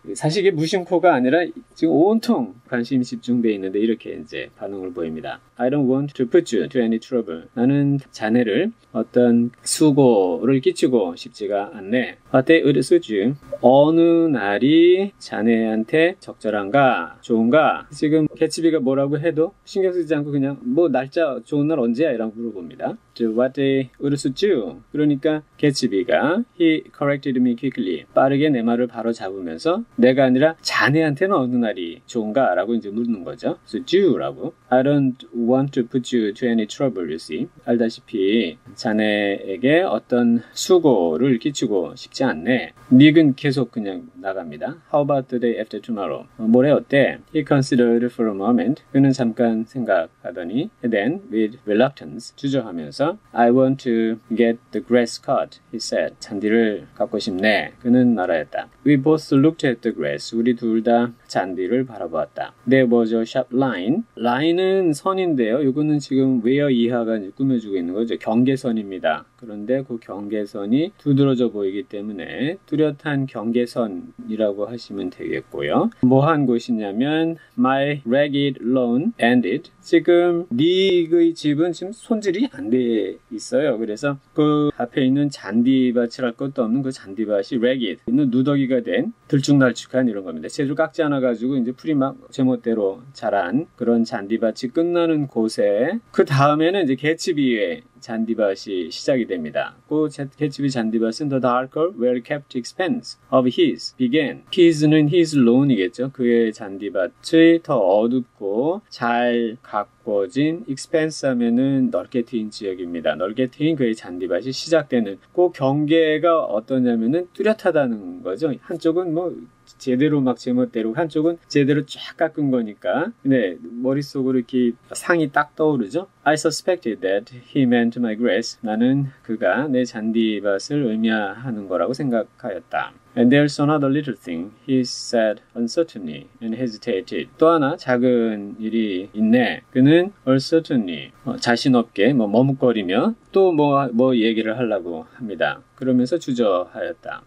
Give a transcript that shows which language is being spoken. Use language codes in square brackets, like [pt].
[ko] 사실 이게 무심코가 아니라 지금 온통 관심 집중돼 있는데 이렇게 이제 반응을 보입니다. [en] I don't want to put you to any trouble. [ko] 나는 자네를 어떤 수고를 끼치고 싶지가 않네. [en] But they would suit you. [ko] 어느 날이 자네한테 적절한가, 좋은가? 지금 개츠비가 뭐라고 해도 신경 쓰지 않고 그냥 뭐 날짜 좋은 날 언제야? 이라고 물어봅니다. [en] To what day would suit you? [ko] 그러니까 개츠비가 [en] he corrected me quickly. [ko] 빠르게 내 말을 바로 잡으면서 내가 아니라 자네한테는 어느 날이 좋은가? 라고 이제 묻는 거죠. [en] So, do [ko] 라고. [en] I don't want to put you to any trouble, you see. [ko] 알다시피 자네에게 어떤 수고를 끼치고 싶지 않네. 닉은 계속 그냥 나갑니다. [en] How about the day after tomorrow? [ko] 모레 어때? [en] He considered for a moment. [ko] 그는 잠깐 생각하더니, [en] then, with reluctance, [ko] 주저하면서, [en] I want to get the grass cut, he said. [ko] 잔디를 갖고 싶네. 그는 말하였다. [en] We both looked at the grass. [ko] 우리 둘다 잔디를 바라보았다. [en] There was a sharp line. [ko] 라인은 선인데요. 이거는 지금 where 이하가 꾸며주고 있는 거죠. 경계선입니다. 그런데 그 경계선이 두드러져 보이기 때문에 뚜렷한 경계선이라고 하시면 되겠고요. 뭐한 곳이냐면 [en] My ragged lawn ended. [ko] 지금 닉의 집은 지금 손질이 안돼 있어요. 그래서 그 앞에 있는 잔디밭이랄 것도 없는 그 잔디밭이 ragged, 누더기가 된 들쭉날쭉한 이런 겁니다. 재질 깎지 않아가지고 이제 풀이 막 제멋대로 자란 그런 잔디밭이 끝나는 곳에 그 다음에는 이제 개츠비의 잔디밭이 시작이 됩니다. 그 개츠비 잔디밭은 [en] The darker, well-kept expanse of his began. [ko] His는 his lawn이겠죠. 그의 잔디밭이 더 어둡고 잘 가꿔진 expanse 하면은 넓게 트인 지역입니다. 넓게 트인 그의 잔디밭이 시작되는 그 경계가 어떠냐면은 뚜렷하다는 거죠. 한쪽은 뭐 제대로 막 제멋대로 한쪽은 제대로 쫙 깎은 거니까. 네, 머릿속으로 이렇게 상이 딱 떠오르죠. [en] I suspected that he meant my grass. [ko] 나는 그가 내 잔디밭을 의미하는 거라고 생각하였다. [en] And there's another little thing, he said uncertainly and hesitated. [ko] 또 하나 작은 일이 있네. 그는 uncertainly, 자신 없게 뭐 머뭇거리며 또 뭐 얘기를 하려고 합니다. 그러면서 주저하였다.